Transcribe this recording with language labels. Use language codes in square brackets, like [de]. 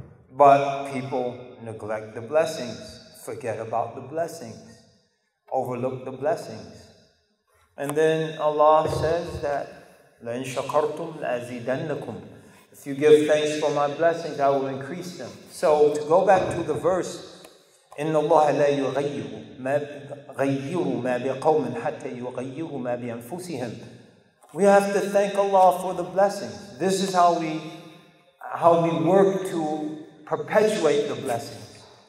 [en] But people neglect the blessings, forget about the blessings, overlook the blessings. And then Allah says that, [ar] لَإِن شَكَرْتُمْ لَأَزِيدَنَّكُمْ. [en] If you give thanks for my blessings, I will increase them. So to go back to the verse, [ar] إِنَّ اللَّهَ لَا يُغَيِّرُ مَا بِقَوْمٍ حَتَّى يُغَيِّرُ مَا بِأَنفُسِهِمْ. [en] We have to thank Allah for the blessing. This is how we work to perpetuate the blessings.